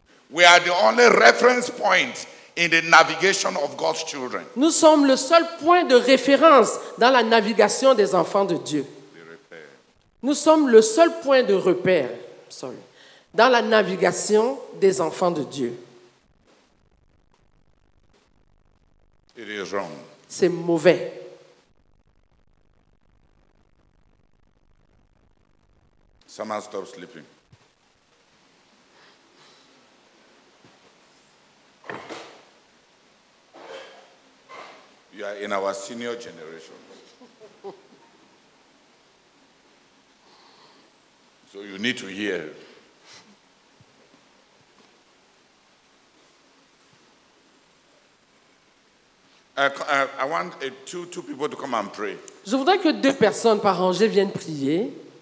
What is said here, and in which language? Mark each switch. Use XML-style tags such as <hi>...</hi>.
<en>We are the only reference point in the navigation of God's children.</en> <fr>Nous sommes le seul point de référence dans la navigation des enfants de Dieu. Nous sommes le seul point de repère, dans la navigation des enfants de Dieu.</fr> <en>It is wrong.</en> <fr>C'est mauvais.</fr> <en>Someone stop sleeping. You are in our senior generation. So you need to hear. I want two people to come and pray.</en> <fr>Je voudrais que deux personnes par rangée viennent prier.</fr>